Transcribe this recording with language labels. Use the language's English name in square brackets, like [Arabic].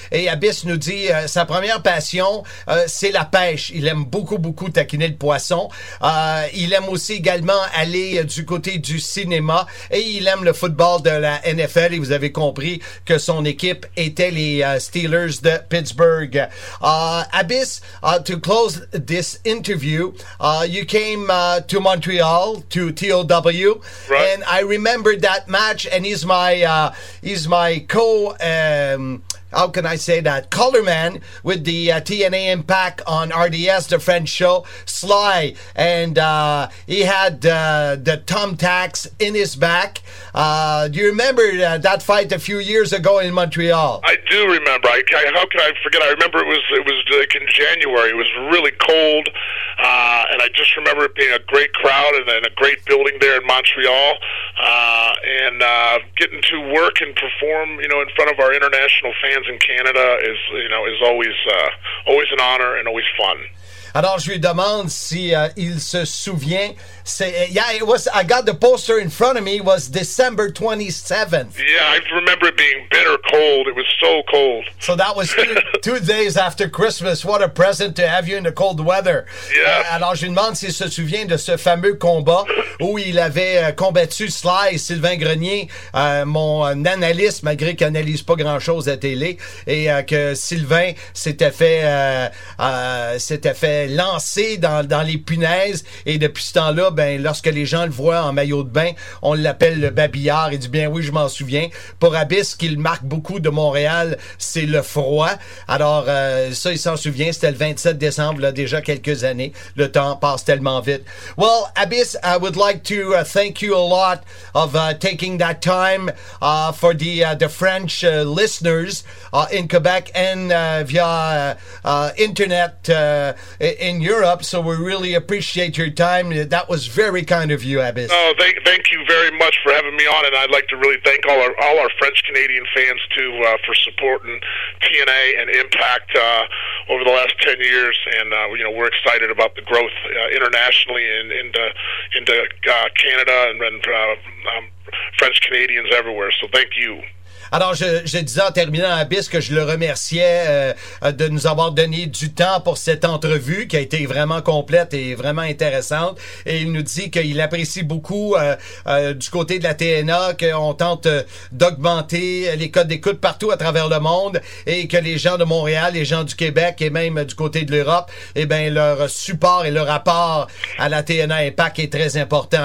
[French] Et Abyss nous dit, sa première passion, c'est la pêche. Il aime beaucoup, beaucoup taquiner le poisson. Il aime aussi également aller du côté du cinéma. Et il aime le football de la NFL. Et vous avez compris que son équipe était les Steelers de Pittsburgh. [English] Abyss, to close this interview, you came to Montreal to TOW, right. And I remember that match, and he's my color man with the TNA Impact on RDS, the French show, Sly, and he had the thumbtacks in his back. Do you remember that fight a few years ago in Montreal? I do remember. How can I forget? I remember it was like in January. It was really cold, and I just remember it being a great crowd and a great building there in Montreal, and getting to work and perform, you know, in front of our international fans in Canada is always an honor and always fun. [French] Alors, je lui demande si il se souvient. [English] I got the poster in front of me. It was December 27th. Yeah, I remember it being bitter cold. It was so cold. So that was two days after Christmas. What a present to have you in the cold weather. Yeah. [French] Alors, je lui demande s'il se souvient de ce fameux combat. combat où il avait combattu Sly, Sylvain Grenier, mon analyste, malgré qu'il n'analyse pas grand-chose à télé, et que Sylvain s'était fait lancer dans les punaises, et depuis ce temps-là, ben lorsque les gens le voient en maillot de bain, on l'appelle le babillard, et dit bien oui, je m'en souviens. Pour Abyss, qu'il marque beaucoup de Montréal, c'est le froid. Alors, ça, il s'en souvient, c'était le 27 décembre, là, déjà quelques années. Le temps passe tellement vite. [English] Well, Abyss, I would like to thank you a lot of taking that time for the French listeners in Quebec and via internet in Europe. So we really appreciate your time. That was very kind of you, Abyss. Oh, thank you very much for having me on, and I'd like to really thank all our French-Canadian fans, too, for supporting TNA and Impact over the last 10 years, and you know, we're excited about the growth internationally and into Canada and French Canadians everywhere. So thank you. [French] Alors, je disais en terminant à Abyss que je le remerciais de nous avoir donné du temps pour cette entrevue qui a été vraiment complète et vraiment intéressante. Et il nous dit qu'il apprécie beaucoup du côté de la TNA qu'on tente d'augmenter les codes d'écoute partout à travers le monde et que les gens de Montréal, les gens du Québec et même du côté de l'Europe, eh bien, leur support et leur apport à la TNA Impact est très important.